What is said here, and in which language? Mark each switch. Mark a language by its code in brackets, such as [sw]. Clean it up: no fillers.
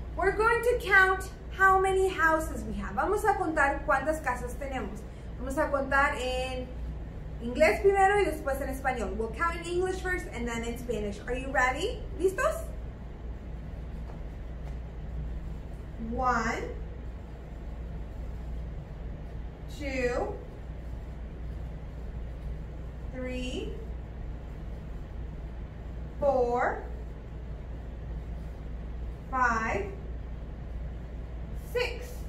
[en] We're going to count how many houses we have. [es] Vamos a contar cuántas casas tenemos. Vamos a contar en inglés primero y después en español. [en] We'll count in English first and then in Spanish. Are you ready? [es] ¿Listos? [en] One, two, three, four, five, six.